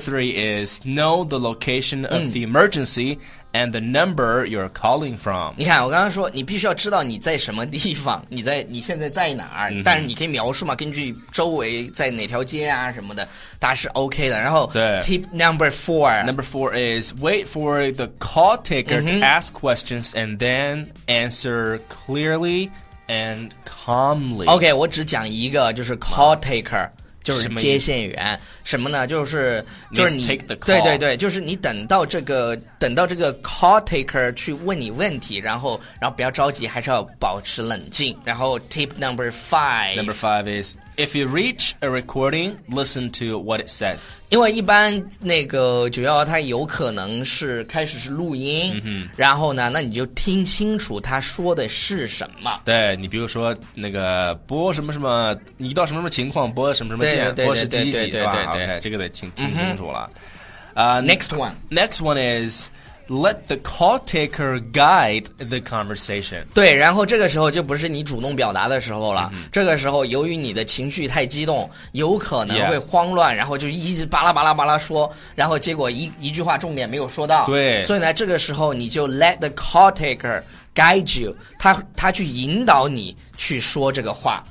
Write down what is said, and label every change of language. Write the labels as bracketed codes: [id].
[en] is know the location of the emergency and the number you're calling from. [zh] 你看，我刚刚说你必须要知道你在什么地方，你现在在哪儿，但是你可以描述嘛，根据周围在哪条街啊什么的。答是 OK 的，然后对 [en] tip number four， number four is wait for the call taker to ask questions and then answer clearly and calmly. [zh] OK， 我只讲一个，就是 call taker， 就是接线员，什么呢？就是你 [en] take the call. [zh] 对，就是你等到这个 call taker 去问你问题，然后不要着急，还是要保持冷静。然后 [en] tip number five is。 If you reach a recording, listen to what it says. [zh] 因为一般那个911它有可能是开始是录音，然后呢，那你就听清楚他说的是什么。对，你比如说那个播什么什么，你遇到什么什么情况，播什么什么键，播是几几，对吧？OK，这个得听清楚了。 [en] Next one is let the call taker guide the conversation. [zh] 对，然后这个时候就不是你主动表达的时候了。 Mm-hmm. 这个时候由于你的情绪太激动，有可能会慌乱， yeah. 然后就一直巴拉巴拉巴拉说，然后结果一句话重点没有说到。对，所以呢，这个时候你就 [en] let the call taker guide you， [zh] 他去引导你去说这个话。